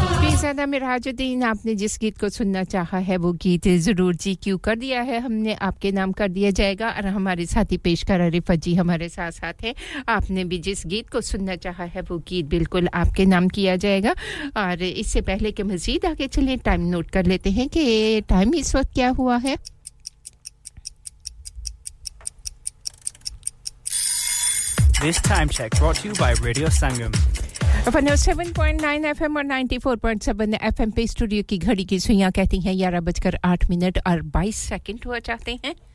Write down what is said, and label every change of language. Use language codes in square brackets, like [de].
[hi] पीरजादा मिराजुद्दीन आपने जिस गीत को सुनना चाहा है वो गीत जरूर जी क्यों कर दिया है हमने आपके नाम कर दिया जाएगा और हमारे साथी पेशकार अरिफा जी हमारे साथ साथ हैं आपने भी जिस गीत को सुनना चाहा है वो गीत बिल्कुल आपके नाम किया जाएगा और इससे पहले कि मजीद आगे चलें टाइम नोट कर लेते हैं कि टाइम इस वक्त क्या हुआ है [en] This time check brought to you by Radio Sangam. [hi] 107.9 FM और 94.7 FM पे स्टूडियो की घड़ी की सुइयां कहती हैं 11:08 हुआ चाहते हैं